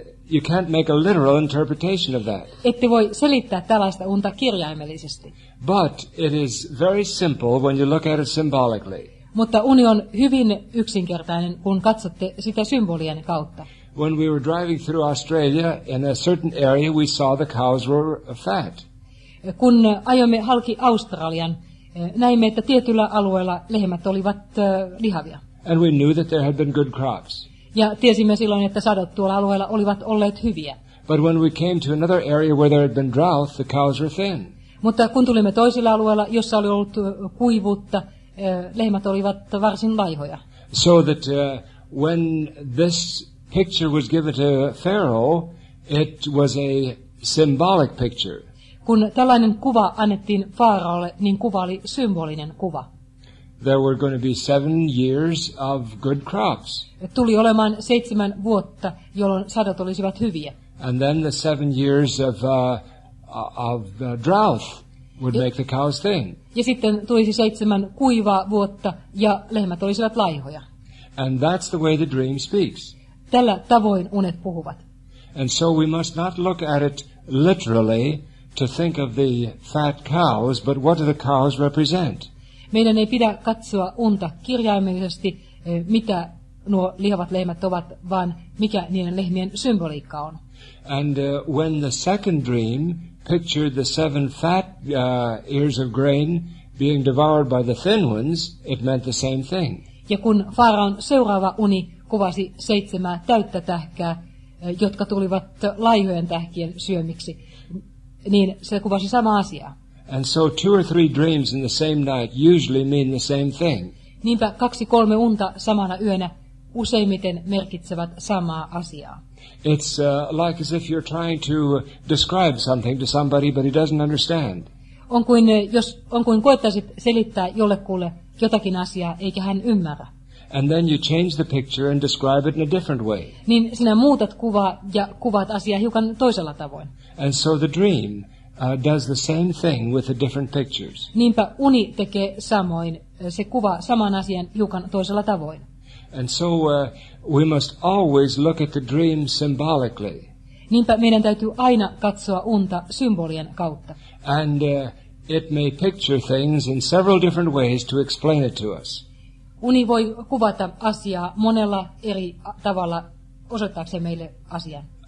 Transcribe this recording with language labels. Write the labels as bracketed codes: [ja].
[en] You can't make a literal interpretation of that. [fi] Ette voi selittää tällaista unta kirjaimellisesti. [en] But it is very simple when you look at it symbolically. [fi] Mutta uni on hyvin yksinkertainen, kun katsotte sitä symbolien kautta. [en] When we were driving through Australia, in a certain area, we saw the cows were fat. [fi] Kun ajoimme halki Australian, näimme, että tietyllä alueella lehmät olivat lihavia. [en] And we knew that there had been good crops. [fi] Ja tiesimme silloin, että sadot tuolla alueella olivat olleet hyviä. [en] But when we came to another area where there had been drought, the cows were thin. [fi] Mutta kun tulimme toisella alueella, jossa oli ollut kuivuutta, lehmät olivat varsin laihoja. [en] So that when this picture was given to Pharaoh, it was a symbolic picture. [fi] Kun tällainen kuva annettiin Faaraolle, niin kuva oli symbolinen kuva. [en] there were going to be 7 years of good crops. [fi] Tuli olemaan 7 vuotta, jolloin sadot olisivat hyviä. [en] And then the 7 years of drought would make the cows thin. [fi] Ja sitten tulisi 7 kuivaa vuotta ja lehmät olisivat laihoja. [en] And that's the way the dream speaks. [fi] Tällä tavoin unet puhuvat. [en] And so we must not look at it literally to think of the fat cows, but what do the cows represent? [fi] Meidän ei pidä katsoa unta kirjaimellisesti, mitä nuo lihavat lehmät ovat, vaan mikä niiden lehmien symboliikka on. [en] And when the second dream pictured the 7 fat ears of grain being devoured by the thin ones, it meant the same thing. [fi] Ja kun Faraon seuraava uni kuvasi 7 täyttä tähkää, jotka tulivat laihojen tähkien syömiksi, niin se kuvasi samaa asiaa. [en] And so 2 or 3 dreams in the same night usually mean the same thing. [fi] Niinpä 2-3 unta samana yönä useimmiten merkitsevät samaa asiaa. [en] It's like as if you're trying to describe something to somebody, but he doesn't understand. [fi] On kuin koettaisit selittää jollekulle jotakin asiaa, eikä hän ymmärrä. [en] And then you change the picture and describe it in a different way. [fi] Niin sinä muutat kuvaa ja kuvaat asiaa hiukan toisella tavoin. [en] And so the dream does the same thing with the different pictures. [fi] Niinpä uni tekee samoin, se kuvaa saman asian hiukan toisella tavoin. [en] And so we must always look at the dream symbolically. [fi] Niinpä meidän täytyy aina katsoa unta symbolien kautta. [en] And it may picture things in several different ways to explain it to us. [fi] Uni voi kuvata asiaa monella eri tavalla osoittaakseen meille asian.